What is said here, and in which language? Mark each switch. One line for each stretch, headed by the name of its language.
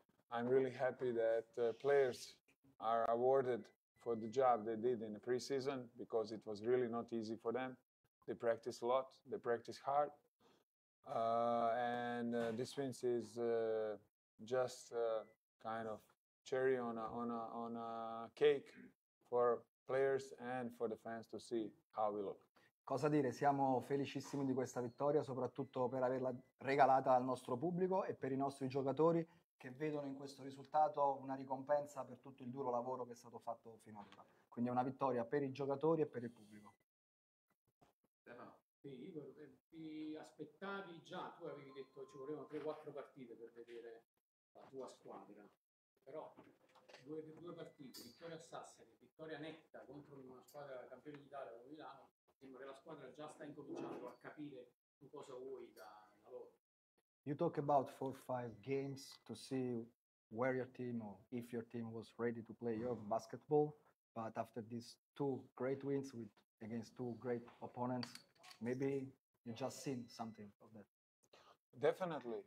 English: I'm really happy that players are awarded for the job they did in the preseason, because it was really not easy for them. They practice a lot, they practice hard. And this win is just kind of cherry on a cake for players and for the fans to see how we look.
Italian: Cosa dire, siamo felicissimi di questa vittoria, soprattutto per averla regalata al nostro pubblico e per i nostri giocatori che vedono in questo risultato una ricompensa per tutto il duro lavoro che è stato fatto fino ad ora. Quindi è una vittoria per i giocatori e per il pubblico. Igor, ti aspettavi già, tu avevi detto ci volevano 3-4 partite per vedere la tua squadra, però due partite, vittoria a Sassari, vittoria netta contro una squadra campione d'Italia come Milano, sembra che la squadra già sta incominciando a capire tu cosa vuoi da loro.
English: You talk about 4-5 games to see where your team or if your team was ready to play your basketball, but after these two great wins with against two great opponents, maybe you just seen something of that. Definitely.